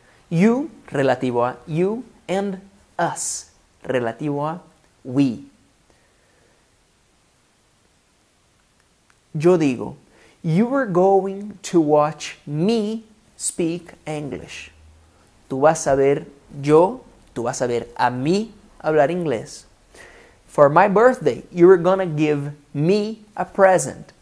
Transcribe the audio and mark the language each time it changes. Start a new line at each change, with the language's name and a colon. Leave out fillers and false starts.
English: You,
Spanish: relativo a
English: you, and us, relativo a we.
Spanish: Yo digo,
English: you are going to watch me speak English.
Spanish: Tú vas a ver yo, tú vas a ver a mí hablar inglés.
English: For my birthday, you are gonna give me a present.